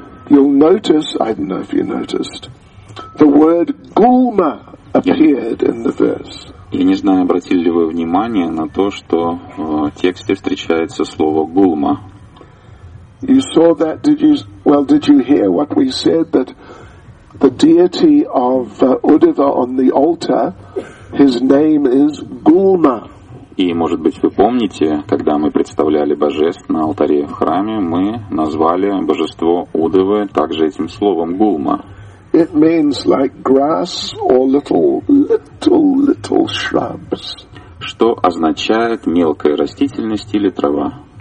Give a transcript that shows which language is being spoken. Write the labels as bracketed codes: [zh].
[en] You'll notice, I don't know if you noticed, the word gulma appeared in the verse. [ru] Я не знаю, обратили ли вы внимание на то, что в тексте встречается слово гулма. [en] You saw that, did you hear what we said, that the deity of Uddhava on the altar, his name is Gulma. [ru] И, может быть, вы помните, когда мы представляли божеств на алтаре в храме, мы назвали божество Уддхавы также этим словом Гулма. [en] It means like grass or little shrubs. [ru] Что означает мелкая растительность или трава.